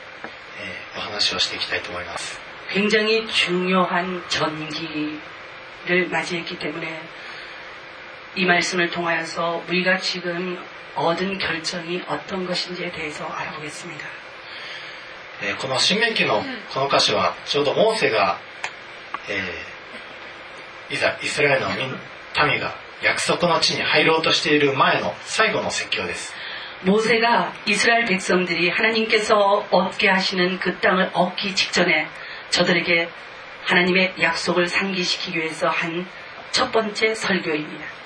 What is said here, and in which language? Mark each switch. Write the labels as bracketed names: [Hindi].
[Japanese] とても重要な天気ですので、今日はこのことをお話をしていきたいと思います。 [Korean] 굉장히 중요한 전기를 맞이했기 때문에 이 말씀을 통하여서 우리가 지금 얻은 결정이 어떤 것인지에 대해서 알아보겠습니다. [Japanese] この新明記のこの箇所はちょうどモーセがいざイスラエルの民が 約束の地に入ろうとしている前の最後の説教です。 [Korean] 모세가 이스라엘 백성들이 하나님께서 얻게 하시는 그 땅을 얻기 직전에 저들에게 하나님의 약속을 상기시키기 위해서 한 첫 번째 설교입니다.